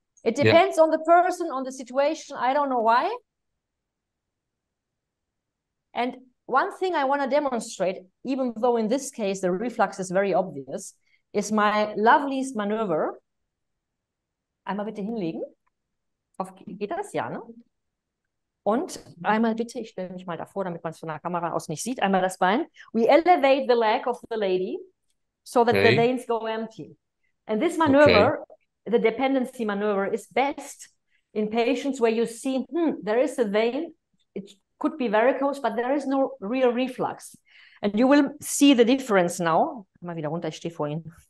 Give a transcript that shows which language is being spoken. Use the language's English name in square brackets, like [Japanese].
[English] It depends on the person, on the situation. I don't know why. And one thing I want to demonstrate, even though in this case the reflux is very obvious, is my loveliest maneuver. [German] Einmal bitte hinlegen. Auf geht das, ja, ne? Und einmal bitte, ich stelle mich mal davor, damit man es von der Kamera aus nicht sieht, einmal das Bein. [English] We elevate the leg of the lady so that the veins go empty. And this maneuver, the dependency maneuver, is best in patients where you see, there is a vein, it could be varicose, but there is no real reflux. And you will see the difference now. [German] Einmal wieder runter, ich stehe vor Ihnen.